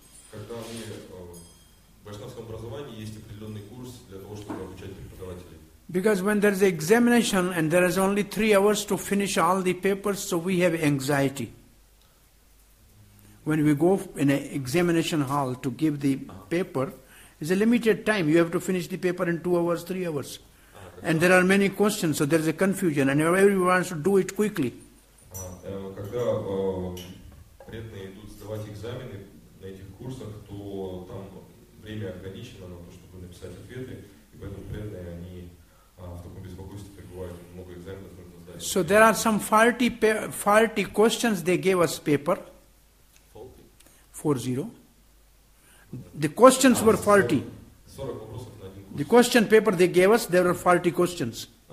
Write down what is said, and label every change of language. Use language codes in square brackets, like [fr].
[ru] Когда мы в вайшнавском образовании есть определенный курс для того, чтобы обучать преподавателей. [en] Because when there is examination and there is only 3 hours to finish all the papers, so we have anxiety. When we go in an examination hall to give the paper, it's a limited time. You have to finish the paper in 2 hours, 3 hours. And there are many questions, so there is a confusion, and everyone wants to do it quickly. [ru] Когда преданные идут сдавать экзамены на этих курсах, то там время ограничено на то, чтобы написать ответы, и поэтому преданные они в таком беспокойстве пребывают, много экзаменов нужно сдать. [en] So there are some faulty questions they gave us paper. Faulty. 4-0. The questions were faulty. [ru] 40 вопросов на один курс. [en] The question paper they gave us, there were faulty questions.